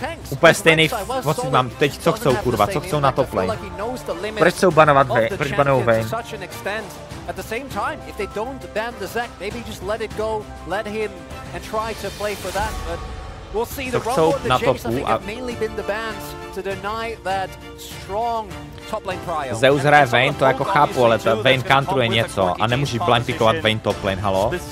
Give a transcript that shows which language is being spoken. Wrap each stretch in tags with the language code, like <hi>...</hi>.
<cs>Úplně stejný pocit mám teď, co chcou kurva, co chcou na top lane. Proč chcou banovat Vayne? Proč banou Vayne?</cs> <en>At the same time, if they don't ban the Zek, maybe just let it go, let him and try to play for that, but... We'll see the rumble of the chase. I think it's mainly been the bans to deny that strong top lane prior.</en> <cs>Zeus hraje Vayne, to jako chápu, ale to Vayne countruje něco a nemůžeš blind pickovat Vayne top lane, halo?</cs>